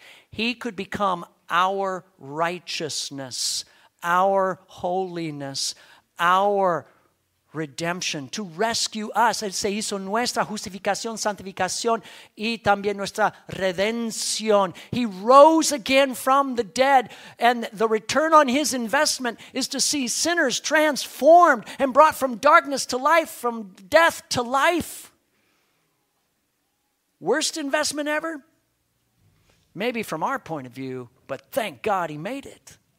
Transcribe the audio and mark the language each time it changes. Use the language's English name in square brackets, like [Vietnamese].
[English] He could become our righteousness, our holiness, our redemption, to rescue us. [Spanish] Él se hizo nuestra justificación, santificación y también nuestra redención. [English] He rose again from the dead, and the return on his investment is to see sinners transformed and brought from darkness to life, from death to life. Worst investment ever? Maybe from our point of view, but thank God he made it.